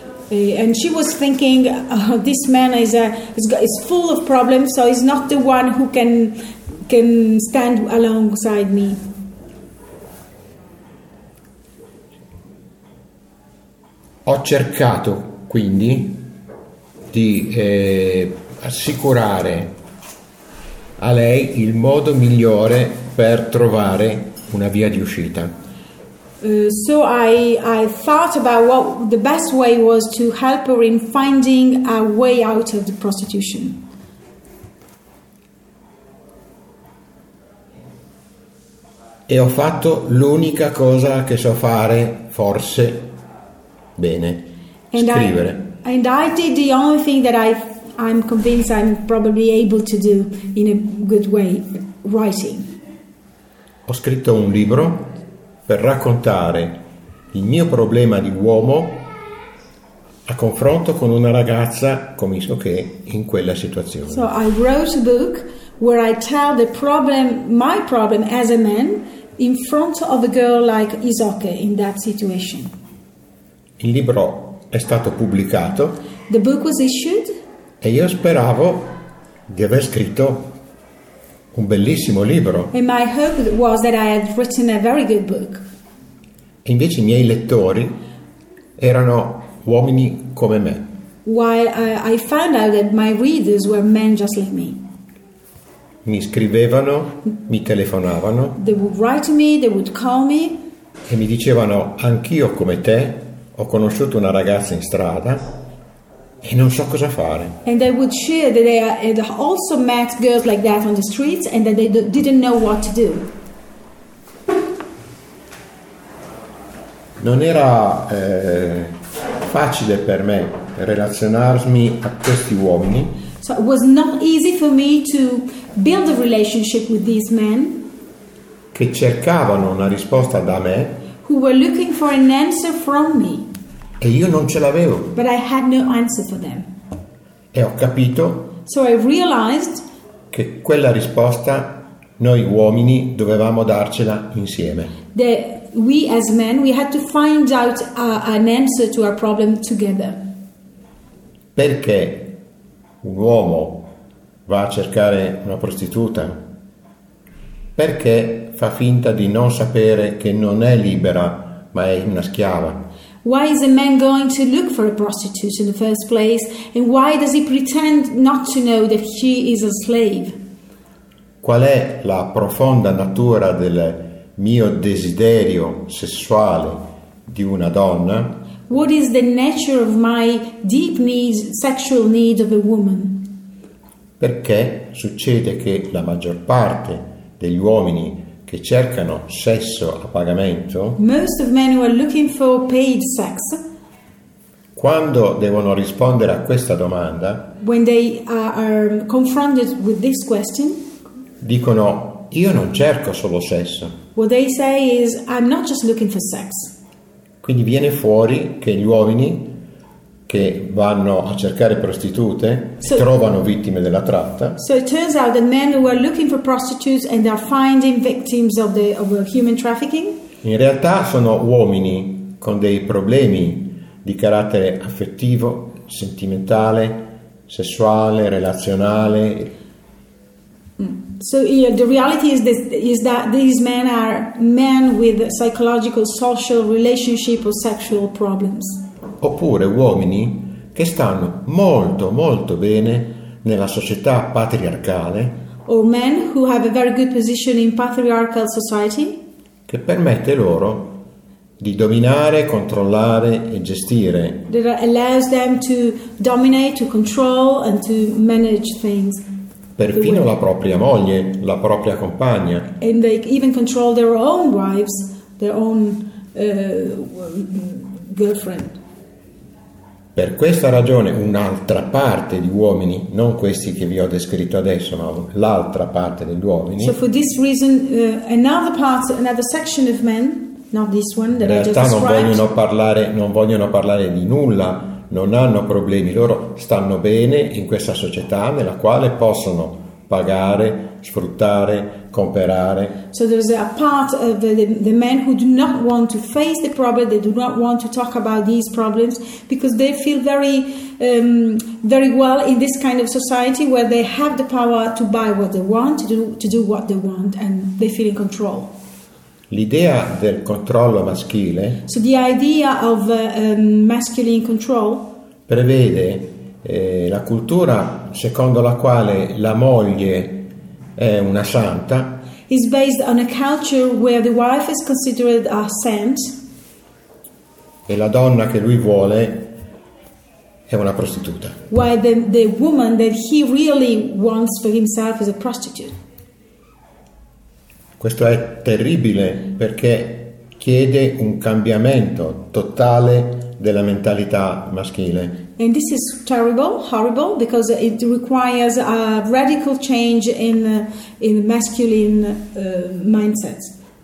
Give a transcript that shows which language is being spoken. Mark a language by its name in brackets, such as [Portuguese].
[English] And she was thinking, this man is full of problems, so he's not the one who can stand alongside me. [Italian] Ho cercato quindi di assicurare a lei il modo migliore per trovare una via di uscita. [English] So I thought about what the best way was to help her in finding a way out of the prostitution. [Italian] E ho fatto l'unica cosa che so fare, forse, bene, [English] and [Italian] scrivere. [English] I did the only thing that I'm convinced I'm probably able to do in a good way, writing. [Italian] Ho scritto un libro per raccontare il mio problema di uomo a confronto con una ragazza come so che in quella situazione. [English] So I wrote a book where I tell the problem, my problem as a man, in front of a girl like Isoke in that situation. [Italian] Il libro è stato pubblicato. [English] The book was issued. [Italian] E io speravo di aver scritto un bellissimo libro. [English] And my hope was that I had written a very good book. [Italian] E invece i miei lettori erano uomini come me. [English] While I found out that my readers were men just like me. [Italian] Mi scrivevano, mi telefonavano. [English] They would write me, they would call me. [Italian] E mi dicevano: anch'io come te ho conosciuto una ragazza in strada e non so cosa fare. [English] And they would share that they had also met girls like that on the streets and that they didn't know what to do. [Italian] Non era facile per me relazionarmi a questi uomini. [English] So it was not easy for me to build a relationship with these men. [Italian] Che cercavano una risposta da me. [English] Who were looking for an answer from me. [Italian] E io non ce l'avevo. [English] But I had no answer for them. [Italian] E ho capito. [English] So I realized [Italian] che quella risposta noi uomini dovevamo darcela insieme. [English] That we as men we had to find out an answer to our problem together. [Italian] Perché un uomo va a cercare una prostituta? Perché fa finta di non sapere che non è libera ma è una schiava? [English] Why is a man going to look for a prostitute in the first place? And why does he pretend not to know that he is a slave? [Italian] Qual è la profonda natura del mio desiderio sessuale di una donna? [English] What is the nature of my deep needs, sexual need of a woman? [Italian] Perché succede che la maggior parte degli uomini che cercano sesso a pagamento, [English] most of men who are looking for paid sex, [Italian] quando devono rispondere a questa domanda, [English] when they are confronted with this question, [Italian] dicono: io non cerco solo sesso. [English] What they say is, I'm not just looking for sex. [Italian] Quindi viene fuori che gli uomini che vanno a cercare prostitute trovano vittime della tratta. [English] So it turns out that men who are looking for prostitutes and they are finding victims of human trafficking. [Italian] In realtà sono uomini con dei problemi di carattere affettivo, sentimentale, sessuale, relazionale. [English] So yeah, the reality is that these men are men with psychological, social, relationship or sexual problems. [Italian] Oppure uomini che stanno molto molto bene nella società patriarcale. [English] Or men who have a very good position in patriarchal society. [Italian] Che permette loro di dominare, controllare e gestire. [English] That allows them to dominate, to control and to manage things. [Italian] Perfino la propria moglie, la propria compagna. [English] And they even control their own wives, their own girlfriend. [Italian] Per questa ragione un'altra parte di uomini, non questi che vi ho descritto adesso, ma l'altra parte degli uomini. [English] So for this reason, another section of men, not this one that I just described. [Italian] Non vogliono parlare di nulla. Non hanno problemi, loro stanno bene in questa società nella quale possono pagare, sfruttare, comprare. [English] So there's a part of the men who do not want to face the problem, they do not want to talk about these problems because they feel very very well in this kind of society where they have the power to buy what they want, to do what they want and they feel in control. [Italian] L'idea del controllo maschile, [English] so the idea of masculine control, [Italian] prevede la cultura secondo la quale la moglie è una santa, [English] is based on a culture where the wife is considered a saint, [Italian] e la donna che lui vuole è una prostituta. [English] Why the woman that he really wants for himself is a prostitute. [Italian] Questo è terribile perché chiede un cambiamento totale della mentalità maschile. [English] And this is terrible, horrible, because it requires a radical change in masculine mindsets.